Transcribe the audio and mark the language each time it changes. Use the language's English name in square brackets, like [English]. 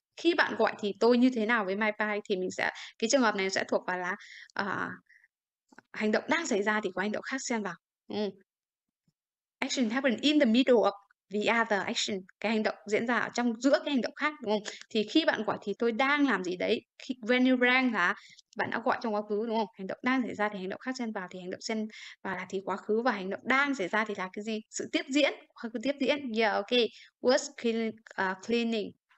[Vietnamese] Khi bạn gọi thì tôi như thế nào với my bike? Thì mình sẽ, cái trường hợp này sẽ thuộc vào là hành động đang xảy ra thì có hành động khác xen vào. [English] Action happen in the middle of the other action. [Vietnamese] Cái hành động diễn ra ở trong giữa cái hành động khác đúng không? Thì khi bạn gọi thì tôi đang làm gì đấy. Khi, [English] when you rang [Vietnamese] là bạn đã gọi trong quá khứ đúng không? Hành động đang xảy ra thì hành động khác xen vào, thì hành động xen vào là thì quá khứ, và hành động đang xảy ra thì là cái gì? Sự tiếp diễn, quá khứ tiếp diễn. [English] Was cleaning.